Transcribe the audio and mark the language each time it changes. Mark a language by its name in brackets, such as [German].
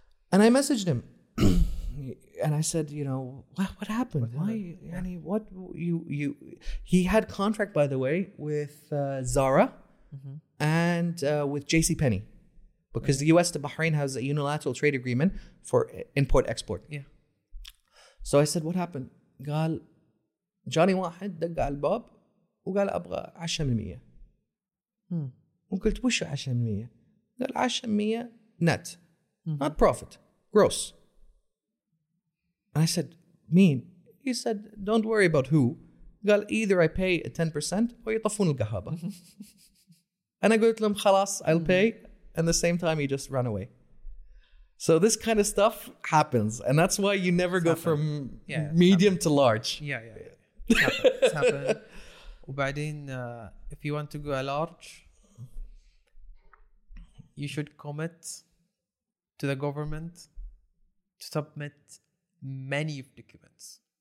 [English] And I messaged him and I said, you know, what happened? Why, what you, he had contract, by the way, with Zara and with JCPenney because the US to Bahrain has a unilateral trade agreement for import export. Yeah. So I said, what happened? [Arabic] قال جاني واحد دق على الباب. وقال أبغى 10%. وقلت وش 10%؟ قال 10% [English] net. Not profit. Gross. And I said, mean? He said, don't worry about who. قال either I pay 10% or [Arabic] يطفون القهابة. [English] And I go to him, [Arabic] خلاص, [English] I'll pay. And the same time, he just ran away. So this kind of stuff happens. And that's why you never go from medium to large. Yeah. It's happened. [Arabic] وبعدين [English] if you want to go large, you should commit to the government to submit many of documents.